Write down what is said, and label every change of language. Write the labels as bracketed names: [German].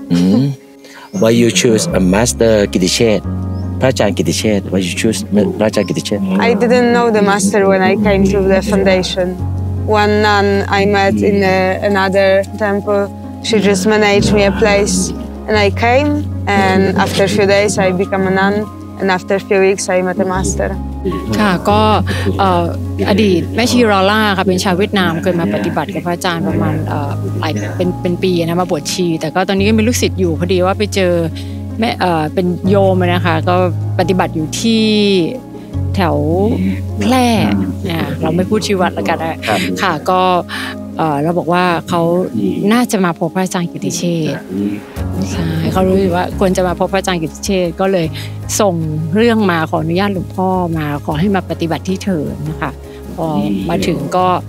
[English] Why you choose a master Kittichet พระอาจารย์กิติเชษฐ์ Why you choose พระอาจารย์กิติเชษฐ์ I didn't know the master when I came to the foundation one nun I met in another temple she just managed me a place and I came and after a few days I became a nunAnd after a few weeks, I met a master. [Thai] ค่ะก็อดีตแม่ชีโรล่าค่ะเป็นชาวเวียดนามเคยมาปฏิบัติกับพระอาจารย์ประมาณเป็นปีนะมาบวชชีแต่ก็ตอนนี้ก็มีลูกศิษย์อยู่พอดีว่าไปเจอแม่เป็นโยมนะคะก็ปฏิบัติอยู่ที่ แถวแพร่เราไม่พูดชื่อวัดละกันค่ะก็เราบอกว่าเขาน่าจะมาพบพระอาจารย์กิติเชษฐ์ใช่เขารู้ว่าควรจะมาพบพระอาจารย์กิติเชษฐ์ก็เลยส่งเรื่องมาขออนุญาตหลวงพ่อมาขอให้มาปฏิบัติที่เถินนะคะพอมาถึงก็